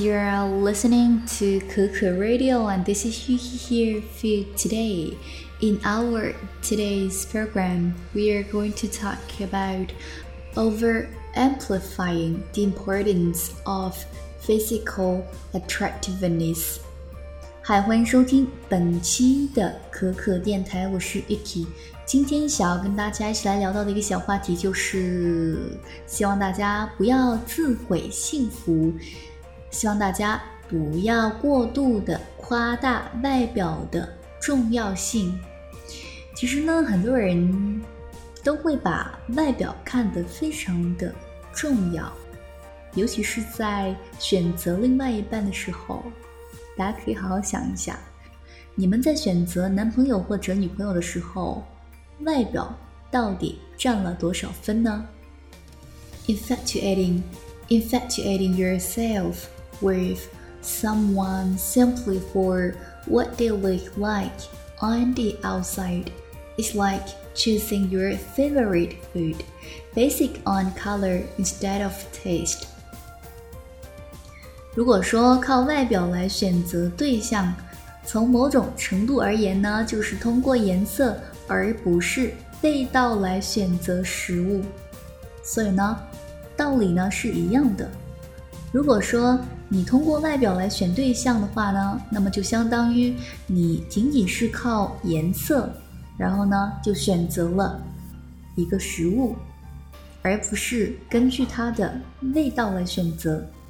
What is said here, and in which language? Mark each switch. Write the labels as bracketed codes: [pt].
[en] You are listening to Kuku Radio, and this is Yuki here for you today. In our today's program, we are going to talk about over-amplifying the importance of physical attractiveness. [zh] Hi, 欢迎收听本期的可可电台，我是 Yuki。今天想要跟大家一起来聊到的一个小话题，就是希望大家不要自毁幸福，希望大家不要过度的夸大外表的重要性。其实呢，很多人都会把外表看得非常的重要，尤其是在选择另外一半的时候，大家可以好好想一下，你们在选择男朋友或者女朋友的时候，外表到底占了多少分呢？ [en] Infatuating yourself with someone simply for what they look like on the outside is like choosing your favorite food basic on color instead of taste. [zh] 如果说靠外表来选择对象，从某种程度而言呢，就是通过颜色而不是味道来选择食物，所以呢，道理呢是一样的。如果说你通过外表来选对象的话呢，那么就相当于你仅仅是靠颜色，然后呢就选择了一个食物，而不是根据它的味道来选择。